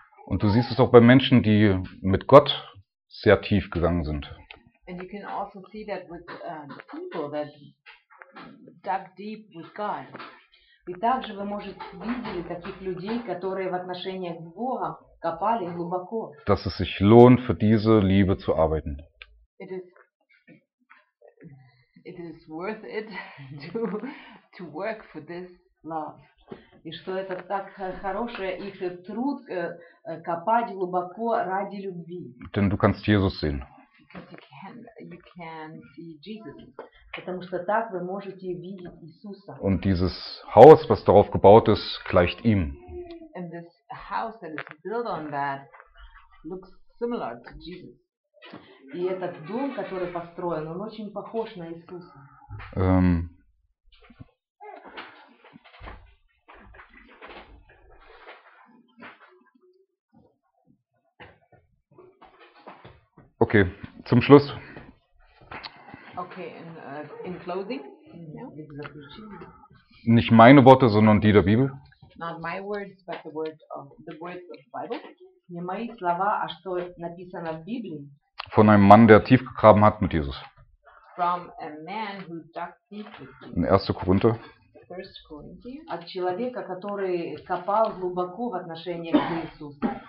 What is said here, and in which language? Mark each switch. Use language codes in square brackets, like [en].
[de] Und du siehst es auch bei Menschen, die mit Gott sehr tief gegangen sind. [en] And you can also see that with people that dug deep with God. [ru] И также вы можете видеть таких людей, которые в отношениях с Богом копали глубоко. [de] Dass es sich lohnt, für diese Liebe zu arbeiten. [en] It is worth it to work for this love. [ru] И что это так хорошее их труд копать глубоко ради любви. [de] Denn du kannst Jesus sehen. [en] You can see Jesus. [ru] Потому что так вы можете видеть Иисуса. [de] Und dieses Haus, was darauf gebaut ist, gleicht ihm. [en] And this house that is built on that looks similar to Jesus. [ru] И этот дом, который построен, он очень похож на Иисуса. [de] Okay, zum Schluss. [en] Okay, in closing. [de] No. Nicht meine Worte, sondern die der Bibel. [en] Not my words, but the words of the Bible. [ru] Не мои слова, а что написано в Библии. [de] Von einem Mann, der tief gegraben hat mit Jesus. [en] From a man who dug deep with Jesus. [de] In 1. Korinther. [en] First Corinthians. [ru] От человека, который копал глубоко в отношениях с Иисусом.